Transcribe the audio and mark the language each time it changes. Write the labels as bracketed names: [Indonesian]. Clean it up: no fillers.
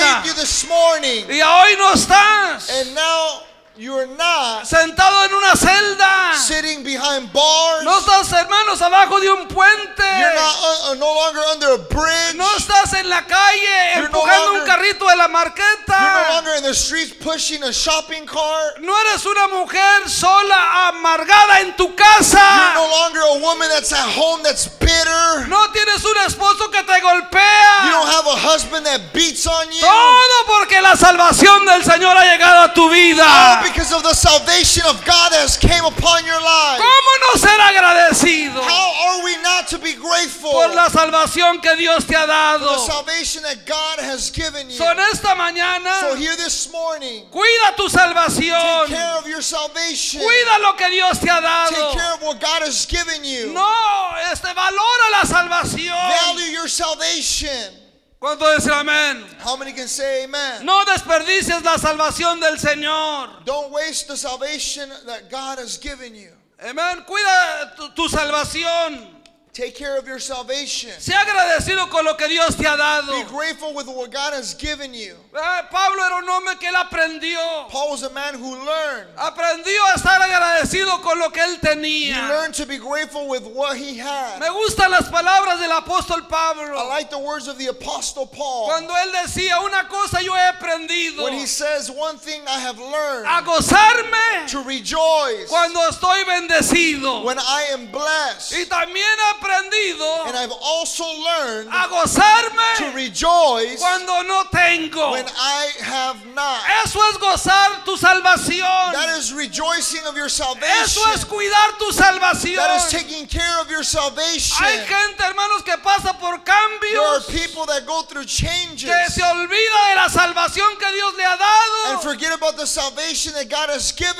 [English] Saved you this morning. [Spanish] Y hoy no estás. [English] And now you are not. [Spanish] Sentado en una celda. [English] Sitting behind bars. [Spanish] No estás, hermanos, abajo de un puente. [English] You're no longer under a bridge. [Spanish] No estás en la calle empujando un carrito de la marqueta. [English] You're no longer in the streets pushing a shopping cart. [Spanish] No eres una mujer sola amargada en tu casa. [English] You're no longer a woman that's at home that's bitter. [Spanish] No tienes un esposo que te golpea. [English] You don't have a husband that beats on you. [Spanish] Todo porque la salvación del Señor ha llegado a tu vida. [English] All because of the salvation of God that has came upon your life. [Spanish] ¿Cómo no ser agradecido? [English] How are we not to be grateful [Spanish] por la salvación que Dios te ha dado. [English] For the salvation that God has given you. [Spanish] So en esta mañana, [English] so here this morning, [Spanish] cuida tu salvación. [English] Take care of your salvation. [Spanish] Cuida lo que Dios te ha dado. [English] Take care of what God has given you. [Spanish] No, valora la salvación. [English] Value your salvation. [Spanish] ¿Cuánto dice amén? [English] How many can say amen? [Spanish] No desperdicies la salvación del Señor. [English] Don't waste the salvation that God has given you. [Spanish] Amen. Cuida tu salvación. [English] Take care of your salvation. [Spanish] Sé agradecido con lo que Dios te ha dado. [English] Be grateful with what God has given you. [Spanish] Pablo era un hombre que él aprendió. [English] Paul was a man who learned. [Spanish] Aprendió a estar agradecido con lo que él tenía. [English] He learned to be grateful with what he had. [Spanish] Me gustan las palabras del apóstol Pablo. [English] I like the words of the apostle Paul. [Spanish] Cuando él decía una cosa yo he aprendido. [English] When he says one thing I have learned. [Spanish] A gozarme. [English] To rejoice. [Spanish] Cuando estoy bendecido. [English] When I am blessed. [Spanish] Y también aprendido. [English] And I've also learned. [Spanish] A gozarme. [English] To rejoice. [Spanish] Cuando no tengo. [English] When I have not. [Spanish] Eso es gozar tu salvación. [English] That is rejoicing of your salvation. [Spanish] Eso es cuidar tu salvación. [English] That is taking care of your salvation. [Spanish] Hay gente, hermanos, que pasa por cambios. [English] There are people that go through changes. [Spanish] Que se olvida de la salvación que Dios le ha dado. [English] And forget about the salvation that God has given